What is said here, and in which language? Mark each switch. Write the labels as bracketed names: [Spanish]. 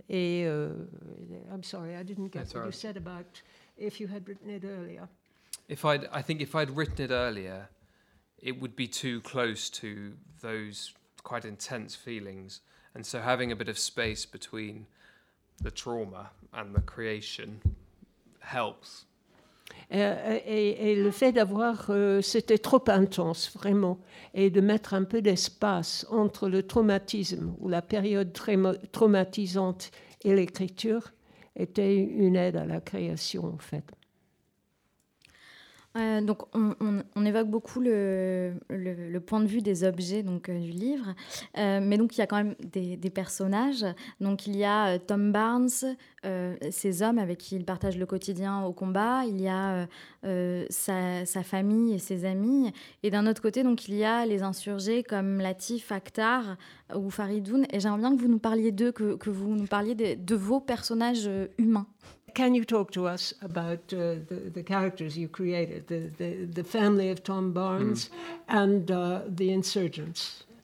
[English] Et I'm sorry, I didn't get what you said about if you had written it earlier. I think if I'd written it earlier, it would be too close to those quite intense feelings. And so having a bit of space between the trauma and the creation helps. [French] Et le fait d'avoir, c'était trop intense, vraiment, et de mettre un peu d'espace entre le traumatisme ou la période très traumatisante et l'écriture était une aide à la création, en fait. Donc, on évoque beaucoup le point de vue des objets donc, du livre, mais donc, il y a quand même des personnages. Donc, il y a Tom Barnes, ces hommes avec qui il partage le quotidien au combat. Il y a sa famille et ses amis. Et d'un autre côté, donc, il y a les insurgés comme Latif, Akhtar ou Faridoun. Et j'aimerais bien que vous nous parliez d'eux, que vous nous parliez de vos personnages humains. [English] Can you talk to us about the characters you created, the family of Tom Barnes and the insurgents?